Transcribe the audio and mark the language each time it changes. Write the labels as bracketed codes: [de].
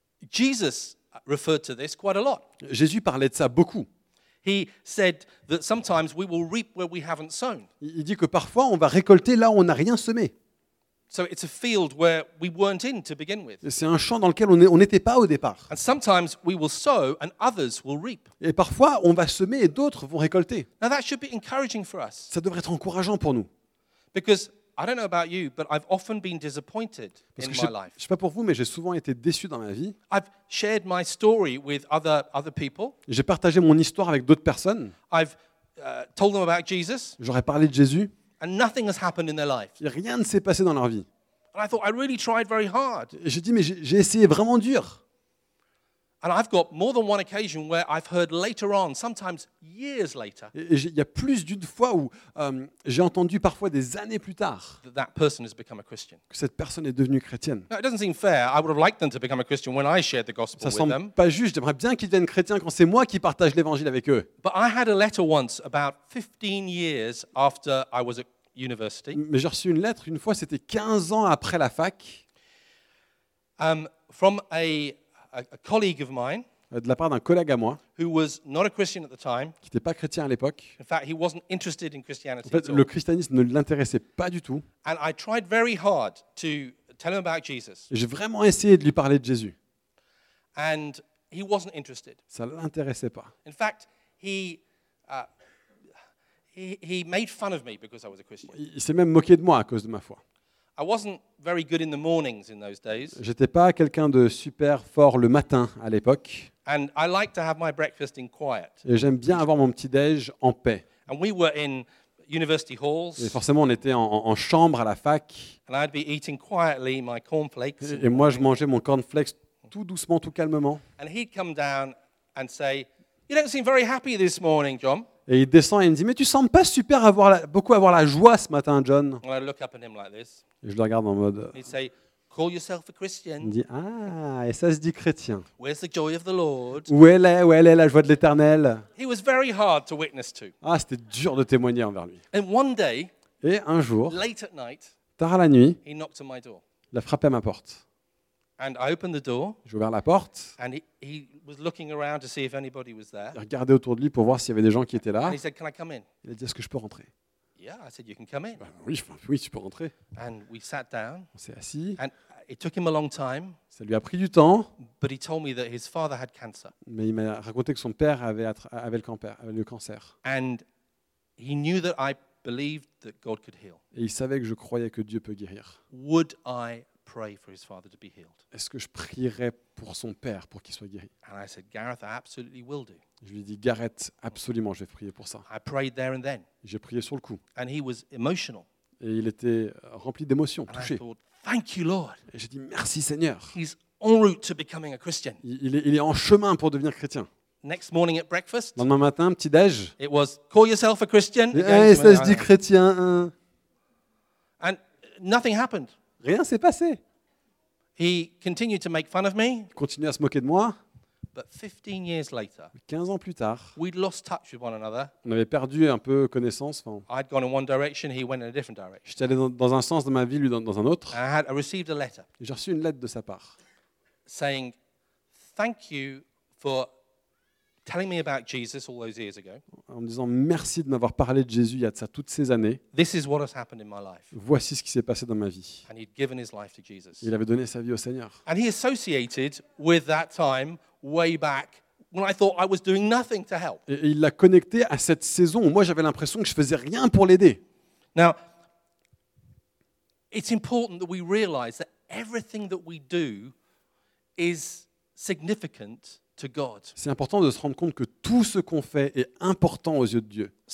[en] Jesus referred to this quite a lot. [fr] Jésus parlait de ça beaucoup. [en] He said that sometimes we will reap where we haven't sown. [fr] Il dit que parfois on va récolter là où on n'a rien semé. [en] So it's a field where we weren't in to begin with. [fr] C'est un champ dans lequel on n'était pas au départ. [en] And sometimes we will sow and others will reap. [fr] Et parfois on va semer et d'autres vont récolter. [en] Now that should be encouraging for us. [fr] Ça devrait être encourageant pour nous. [en] Because I don't know about you, but I've often been disappointed [fr] parce [en] in [fr] que [en] my life. [fr] Je sais pas pour vous, mais j'ai souvent été déçu dans ma vie. [en] I've shared my story with other people. [fr] J'ai partagé mon histoire avec d'autres personnes. [en] I've told them about Jesus. [fr] J'aurais parlé de Jésus. [en] And nothing has happened in their life. [fr] Et rien ne s'est passé dans leur vie. [en] And I thought I really tried very hard. [fr] Et j'ai dit mais j'ai essayé vraiment dur. [en] And I've got more than one occasion where I've heard later on, sometimes years later. [fr] Et il y a plus d'une fois où j'ai entendu parfois des années plus tard [en] that person has become a Christian. [fr] Que cette personne est devenue chrétienne. [en] Now, it doesn't seem fair. I would have liked them to become a Christian when I shared the gospel with them. [fr] Ça semble pas juste. J'aimerais bien qu'ils deviennent chrétiens quand c'est moi qui partage l'évangile avec eux. [en] But I had a letter once about 15 years after I was at university. [fr] Mais j'ai reçu une lettre une fois, c'était 15 ans après la fac. [en] From a colleague of mine, [fr] de la part d'un collègue à moi, [en] who was not a Christian at the time, [fr] qui n'était pas chrétien à l'époque. [en] In fact, he wasn't interested in Christianity. [fr] En fait, le christianisme ne l'intéressait pas du tout. [en] And I tried very hard to tell him about Jesus. [fr] J'ai vraiment essayé de lui parler de Jésus. [en] And he wasn't interested. [fr] Ça ne l'intéressait pas. [en] In fact, he made fun of me because I was a Christian. [fr] Il s'est même moqué de moi à cause de ma foi. [en] I wasn't very good in the mornings in those days. [fr] J'étais pas quelqu'un de super fort le matin à l'époque. [en] And I like to have my breakfast in quiet. [fr] Et j'aime bien avoir mon petit déj en paix. [en] And we were in university halls. [fr] Et forcément, on était en chambre à la fac. [en] And I'd be eating quietly my cornflakes. [fr] Et moi, je mangeais mon cornflakes tout doucement, tout calmement. [en] And he'd come down and say, "You don't seem very happy this morning, John." [fr] Et il descend et il me dit, "Mais tu sembles pas super avoir la joie ce matin, John." [en] And I'd look up at him like this. [fr] Et je le regarde en mode. [en] He'd say, "Call yourself a Christian." [fr] Il me dit, "Ah, et ça se dit chrétien." [en] "Where's the joy of the Lord?" [fr] Où elle est la joie de l'Éternel? [en] He was very hard to witness to. [fr] Ah, c'était dur de témoigner envers lui. [en] And one day, [fr] et un jour, [en] late at night, [fr] tard à la nuit, [en] he knocked on my door. [fr] Il a frappé à ma porte. [en] And I opened the door. [fr] J'ai ouvert la porte. [en] And he was looking around to see if anybody was there. [fr] Il regardait autour de lui pour voir s'il y avait des gens qui étaient là. [en] And he said, "Can I come in?" [fr] Il a dit, "Est-ce que je peux rentrer?" [en] "Yeah," I said, "You can come in." [fr] Ben, oui, tu peux rentrer. [en] And we sat down. [fr] On s'est assis. [en] And it took him a long time. [fr] Ça lui a pris du temps. [en] But he told me that his father had cancer. [fr] Mais il m'a raconté que son père avait le cancer. [en] And he knew that I believed that God could heal. [fr] Et il savait que je croyais que Dieu peut guérir. [en] Would I pray for his father to be healed? [fr] Est-ce que je prierais pour son père pour qu'il soit guéri? [en] And I said, "Gareth, I absolutely will do." [fr] Je lui ai dit, "Gareth, absolument, je vais prier pour ça." [en] I prayed there and then. [fr] J'ai prié sur le coup. [en] And he was emotional. [fr] Et il était rempli d'émotion, touché. [en] And I thought, "Thank you, Lord." [fr] Et j'ai dit, "Merci, Seigneur." [en] He's en route to becoming a Christian. [fr] Il est en chemin pour devenir chrétien. [en] Next morning at breakfast. [fr] Le lendemain matin, petit déj. [en] It was, "Call yourself a Christian." [fr] Hey, ça se dit chrétien. Hein. [en] And nothing happened. [fr] Rien s'est passé. [en] He continued to make fun of me. [fr] Il continuait à se moquer de moi. [en] But 15 years later. [fr] 15 ans plus tard. [en] We'd lost touch with one another. [fr] On avait perdu un peu connaissance. Enfin, [en] I'd gone in one direction, he went in a different direction. [fr] J'étais allé dans un sens de ma vie, lui dans un autre. [en] And I had received a letter. [fr] J'ai reçu une lettre de sa part. [en] Saying, "Thank you for telling me about Jesus all those years ago." [fr] En me disant, "Merci de m'avoir parlé de Jésus il y a de ça toutes ces années." [en] "This is what has happened in my life." [fr] Voici ce qui s'est passé dans ma vie. [en] And he'd given his life to Jesus. [fr] Il avait donné sa vie au Seigneur. [en] And he associated with that time way back when I thought I was doing nothing to help. [fr] Et il l'a connecté à cette saison où moi j'avais l'impression que je faisais rien pour l'aider. [en] Now, it's important that we realize that everything that we do is significant. [fr] C'est important de se rendre compte que tout ce qu'on fait est important aux yeux de Dieu.